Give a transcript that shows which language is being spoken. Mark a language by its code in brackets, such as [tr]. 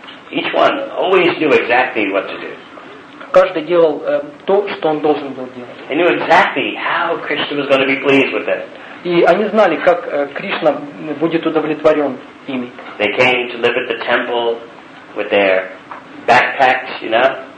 [en] Each one always knew exactly what to do. [ru] Каждый делал то, что он должен был делать. [en] And knew exactly how Krishna was going to be pleased with it. [ru] И они знали, как Кришна будет удовлетворен ими. [en] They came to live at the temple with their backpacks, you know?